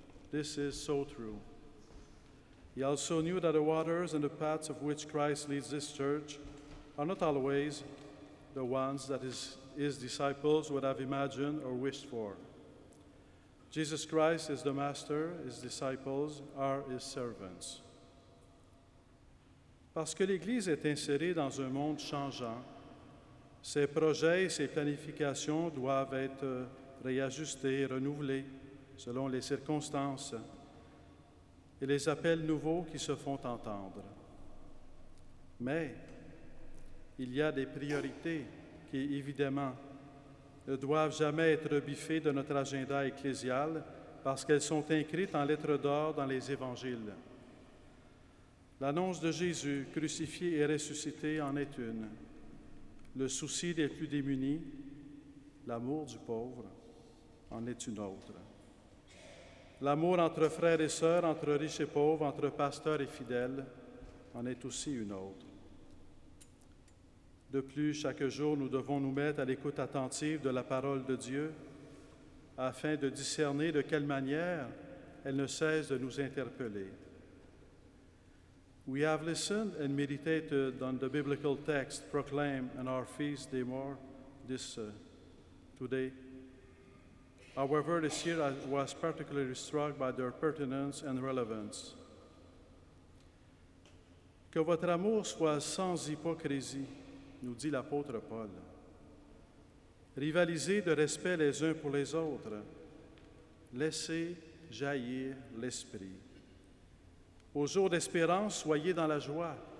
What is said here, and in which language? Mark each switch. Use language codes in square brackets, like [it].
[en] This is so true. He also knew that the waters and the paths of which Christ leads this church are not always the ones that his disciples would have imagined or wished for. Jesus Christ is the master, his disciples are his servants. [fr] Parce que l'Église est insérée dans un monde changeant, ses projets et ses planifications doivent être réajustés, renouvelés selon les circonstances et les appels nouveaux qui se font entendre. Mais il y a des priorités qui, évidemment, ne doivent jamais être biffées de notre agenda ecclésial parce qu'elles sont inscrites en lettres d'or dans les Évangiles. L'annonce de Jésus, crucifié et ressuscité, en est une. Le souci des plus démunis, l'amour du pauvre, en est une autre. L'amour entre frères et sœurs, entre riches et pauvres, entre pasteurs et fidèles, en est aussi une autre. De plus, chaque jour, nous devons nous mettre à l'écoute attentive de la parole de Dieu, afin de discerner de quelle manière elle ne cesse de nous interpeller. [en] We have listened and meditated on the biblical text proclaimed on our feast day more today. However, this year I was particularly struck by their pertinence and relevance. [fr] Que votre amour soit sans hypocrisie, nous dit l'apôtre Paul. Rivalisez de respect les uns pour les autres. Laissez jaillir l'esprit. Au jour d'espérance, soyez dans la joie.